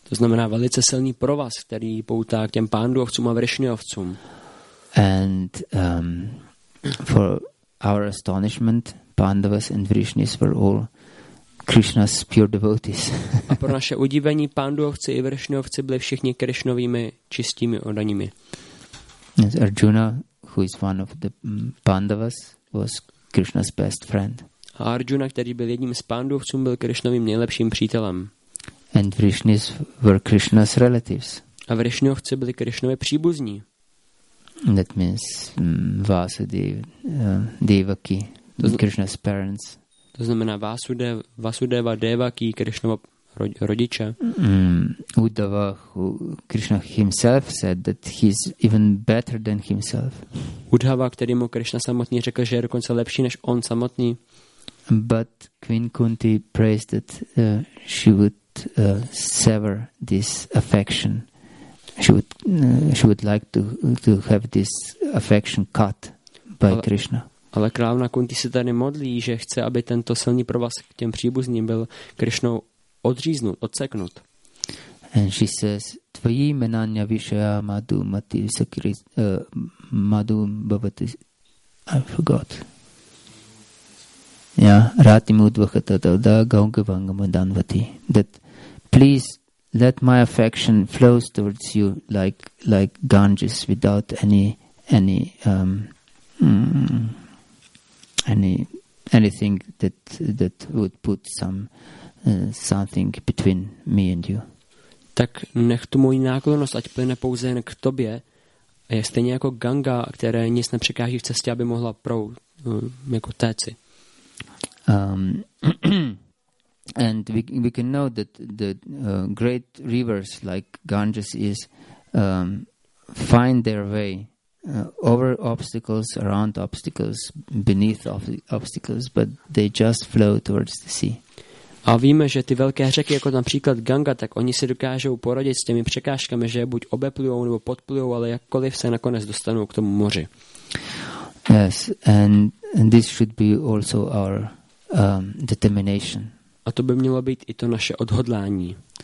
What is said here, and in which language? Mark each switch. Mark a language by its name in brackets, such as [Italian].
[Czech] To znamená velice silný provaz, který poutá k těm Pánduovcům a Vrishniovcům. [English] And for our astonishment, Pandavas and Vrishnis were all Krishna's pure devotees. [Czech] A pro naše udivení, Pánduovci i Vrishniovci byli všichni Krishnovými čistými oddanými. [English] And Arjuna, who is one of the Pandavas, was Krishna's best friend. [Czech] A Arjuna, který byl jedním z Pánduovců, byl Krishnovým nejlepším přítelem. [English] And Vrishnis were Krishna's relatives. [Czech] A Vrishniovci byli Krishnovi příbuzní. [English] That means Vasudev, Devaki, Krishna's parents. [Czech] To znamená Vasudeva, Devaki, Krishnova rodiče. [English] Uddhava, who Krishna himself said that he's even better than himself. [Czech] Uddhava, kterému Krishna samotný řekl, že je dokonce lepší než on samotný. [English] But Queen Kunti prays that she would sever this affection. She would like to have this affection cut by Krishna. [Czech] Ale královna Kunti se tady modlí, že chce, aby tento silný provaz k těm příbuzním byl Krishnou odříznut, odseknut. [English] And she says, [Sanskrit] tvojí menanya vishaya madu mati sakrit madu bhavati. [English] I forgot. [Sanskrit] Yeah, rati mudvakata tada gaunga vangama danvati. [English] That please let my affection flow towards you like Ganges without anything that would put something between me and you. [Czech] Tak nech tu moji náklonnost, ať plyne pouze jen k tobě, a je stejně jako Ganga, které nic nepřekáží v cestě, aby mohla jako téci. [English] And we can know that the great rivers like Ganges is find their way over obstacles, around obstacles, beneath obstacles, but they just flow towards the sea. [Czech] A víme, že ty velké řeky, jako například Ganga, tak oni se dokážou poradit s těmi překážkami, že buď obeplujou nebo podplujou, ale jakkoliv se nakonec dostanou k tomu moři. [English] Yes, and this should be also our determination. [Czech] A to by mělo být i to naše odhodlání.